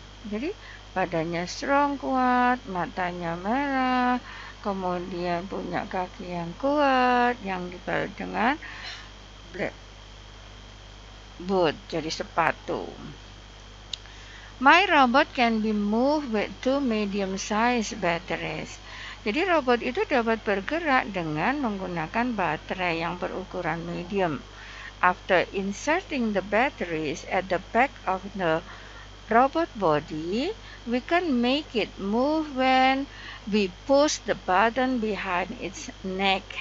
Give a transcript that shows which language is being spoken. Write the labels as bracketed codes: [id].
[id] Jadi, badannya strong kuat, matanya merah, kemudian punya kaki yang kuat yang dibalut dengan blade boot, jadi sepatu. [en] My robot can be moved with two medium-sized batteries. [id] Jadi robot itu dapat bergerak dengan menggunakan baterai yang berukuran medium. [en] After inserting the batteries at the back of the robot body, we can make it move when we push the button behind its neck.